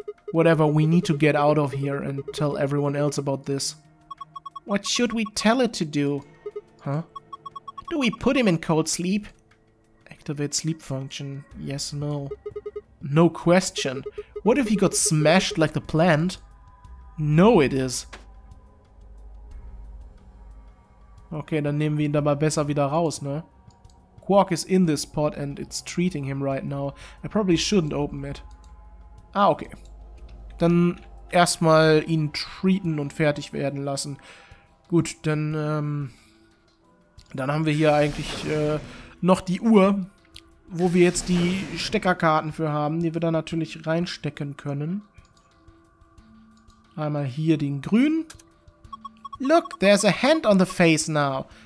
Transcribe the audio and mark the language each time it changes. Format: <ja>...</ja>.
<en>Whatever, we need to get out of here and tell everyone else about this. What should we tell it to do? Huh? Do we put him in cold sleep? Activate sleep function. Yes, no. No question. What if he got smashed like the plant? No, it is.</en> <de>Okay, dann nehmen wir ihn da mal besser wieder raus, ne?</de> <en>Quark is in this pot and it's treating him right now. I probably shouldn't open it. Ah, okay.</en> <de>Dann erstmal ihn treaten und fertig werden lassen. Gut, dann, dann haben wir hier eigentlich noch die Uhr, wo wir jetzt die Steckerkarten für haben, die wir da natürlich reinstecken können. Einmal hier den grünen.</de> <en>Look, there's a hand on the face now.</en>